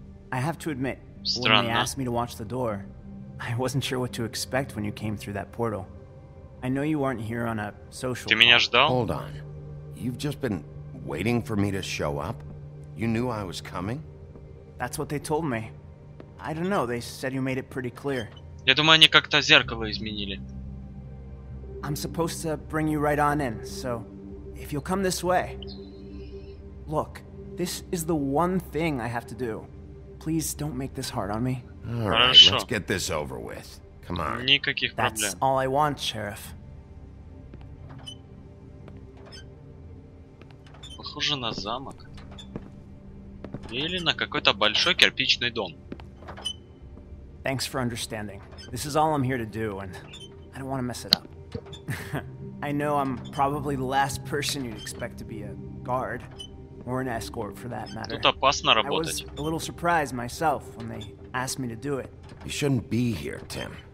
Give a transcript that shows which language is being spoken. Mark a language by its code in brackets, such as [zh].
[en] I have to admit, when they asked me to watch the door, I wasn't sure what to expect when you came through that portal. I know you weren't here on a social... Hold on. You've just been waiting for me to show up? You knew I was coming? That's what they told me. I don't know, they said you made it pretty clear. [ru] Я думаю, они как-то зеркало изменили. [en] I'm supposed to bring you right on in, so if you'll come this way. Look, this is the one thing I have to do. Please don't make this hard on me. Alright, let's get this over with. Come on. [ru] Никаких проблем. [en] That's all I want, Sheriff. [ru] Похоже на замок. Или на какой-то большой кирпичный дом. [en] Thanks for understanding. This is all I'm here to do, and I don't want to mess it up. I know I'm probably the last person you'd expect to be a guard, or an escort for that matter. [ru] Тут опасно работать. [en] I was a little surprised myself when they asked me to do it. You shouldn't be here, Tim.